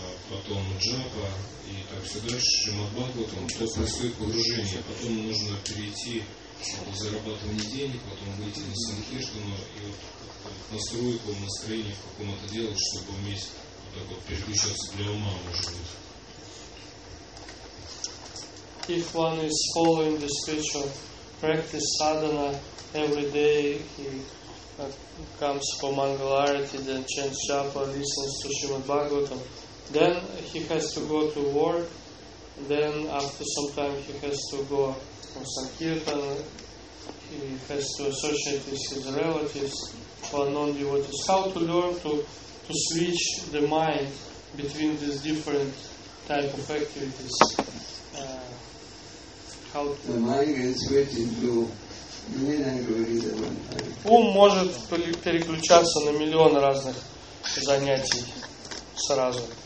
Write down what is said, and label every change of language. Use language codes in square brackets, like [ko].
[ru] потом Джапа и так все дальше, Шримад-Бхагаватам, то происходит погружение, потом нужно перейти зарабатывание денег, потом выйти на санкиртану и вот настройку настроения, в каком это делать, чтобы уметь вот так вот переключаться для ума, может быть. [en] If one is following the spiritual practice sadhana every day, he comes for Mangalarati, then chants japa, listens to Srimad Bhagavatam, then he has to go to work, then after some time he has to go on sankirtan, he has to associate with his relatives or non-devotees. How to learn to switch the mind between these different type of activities? How to the mind can switch into many activities at one time. [ru] Ум может переключаться на миллион разных занятий сразу.